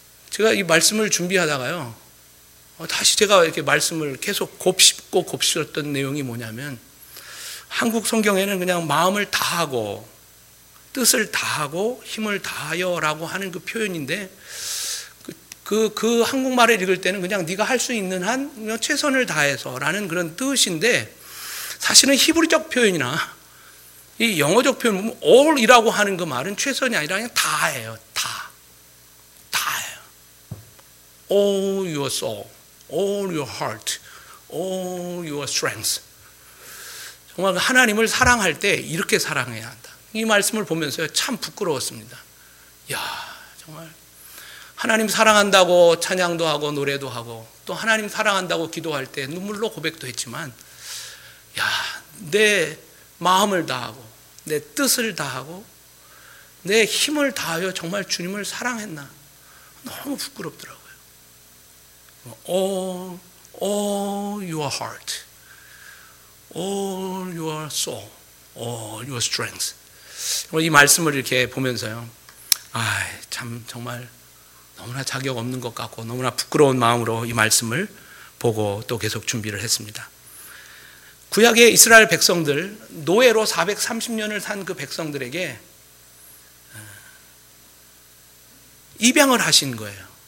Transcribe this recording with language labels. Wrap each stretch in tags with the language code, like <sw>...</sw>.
<ko>제가 이 말씀을 준비하다가요. 다시 제가 이렇게 말씀을 계속 곱씹고 곱씹었던 내용이 뭐냐면 한국 성경에는 그냥 마음을 다하고 뜻을 다하고 힘을 다하여라고 하는 그 표현인데 그 한국말을 읽을 때는 그냥 네가 할 수 있는 한 최선을 다해서라는 그런 뜻인데 사실은 히브리적 표현이나 이 영어적 표현 보면 all이라고 하는 그 말은 최선이 아니라 그냥 다예요. 다예요.</ko> <en>All your soul, all your heart, all your strength.</en> <ko>정말 하나님을 사랑할 때 이렇게 사랑해야 한다. 이 말씀을 보면서 참 부끄러웠습니다. 이야 정말. 하나님 사랑한다고 찬양도 하고 노래도 하고 또 하나님 사랑한다고 기도할 때 눈물로 고백도 했지만 야, 내 마음을 다하고 내 뜻을 다하고 내 힘을 다하여 정말 주님을 사랑했나 너무 부끄럽더라고요.</ko> <en>All your heart, all your soul, all your strength.</en> <ko>이 말씀을 이렇게 보면서요. 아, 참 정말 너무나 자격 없는 것 같고 너무나 부끄러운 마음으로 이 말씀을 보고 또 계속 준비를 했습니다. 구약의 이스라엘 백성들 노예로 430년을 산 그 백성들에게 입양을 하신 거예요.</ko>